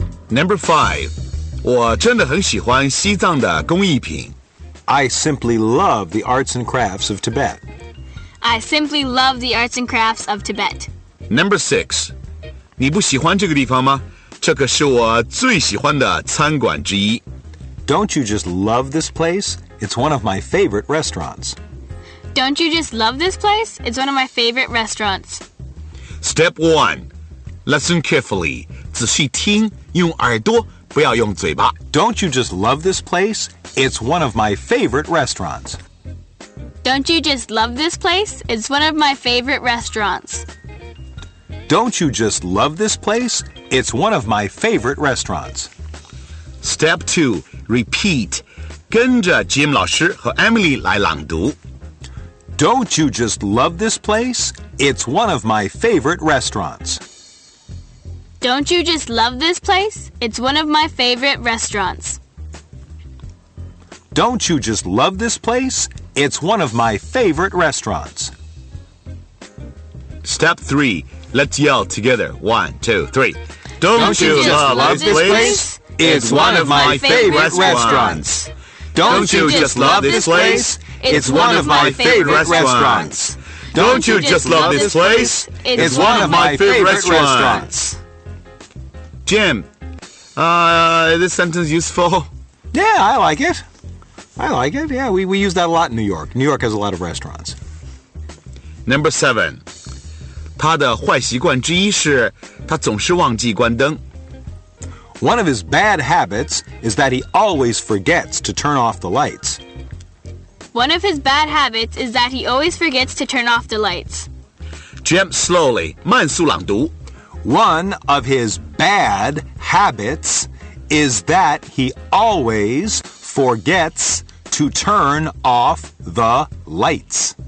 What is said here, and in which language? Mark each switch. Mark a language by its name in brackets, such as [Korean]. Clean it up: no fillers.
[English] Number five， [Chinese] 我真的很喜欢西藏的工艺品。 [English] I simply love the arts and crafts of Tibet. I simply love the arts and crafts of Tibet. Number six， [Chinese] 你不喜欢这个地方吗？这个是我最喜欢的餐馆之一。 [English] Don't you just love this place? It's one of my favorite restaurants. Don't you just love this place? It's one of my favorite restaurants. Step one， listen carefully， [Chinese] 仔细听，用耳朵，不要用嘴巴。 [English] Don't you just love this place? It's one of my favorite restaurants. Don't you just love this place? It's one of my favorite restaurants. Don't you just love this place? It's one of my favorite restaurants. Step 2. Repeat. [Chinese] 跟着 Jim 老师和 Emily 来朗读。 [English] Don't you just love this place? It's one of my favorite restaurants. Don't you just love this place? It's one of my favorite restaurants. Don't you just love this place? It's one of my favorite restaurants. Step 3. Let's yell together. One, two, three. Don't you just love this place? It's one of my favorite restaurants. Don't you just love this place? It's one of my favorite restaurants. Don't you just love this place? It's one of my favorite restaurants. Jim, is this sentence useful? Yeah, I like it. I like it. Yeah, we use that a lot in New York. New York has a lot of restaurants. Number seven. [Chinese] 他的坏习惯之一是他总是忘记关灯。 [English] One of his bad habits is that he always forgets to turn off the lights. One of his bad habits is that he always forgets to turn off the lights. Jim, slowly, [Chinese] 慢速朗读。 [English] One of his bad habits is that he always forgets to turn off the lights.